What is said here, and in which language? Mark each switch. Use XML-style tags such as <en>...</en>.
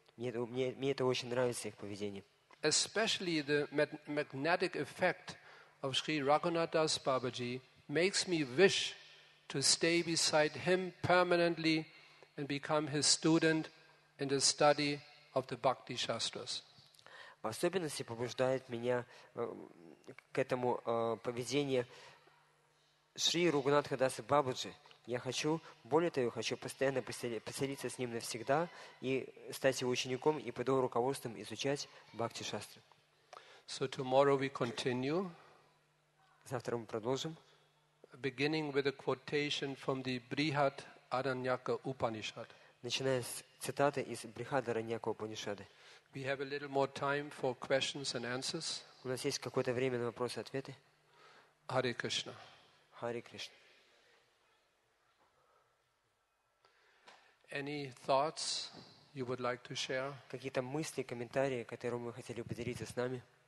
<ru>Мне это очень нравится, их поведение.</ru> <en>Especially the magnetic effect of Sri Raghunathas Babaji makes me wish to stay beside him permanently and become his student in the study of the Bhakti Shastras.</en> <ru>В особенности побуждает меня к этому поведение Шри Рагунатхадас Бабаджи. Я хочу, более того, хочу постоянно поселиться с ним навсегда и стать его учеником и под его руководством изучать Бхакти Шастры.</ru> <en>So tomorrow we continue.</en> <ru>Завтра мы продолжим.</ru> <en>Beginning with a quotation from the Brihadaranyaka Upanishad.</en> <ru>Начиная с цитаты из Брихадаранья Упанишады.</ru> <en>We have a little more time for questions and answers.</en> <ru>У нас есть какое-то время на вопросы и ответы. Харе Кришна. Харе Кришна.</ru> <en>Any thoughts you would like to share?</en> <ru>Какие-то мысли, комментарии, которые вы хотели поделиться с нами?</ru>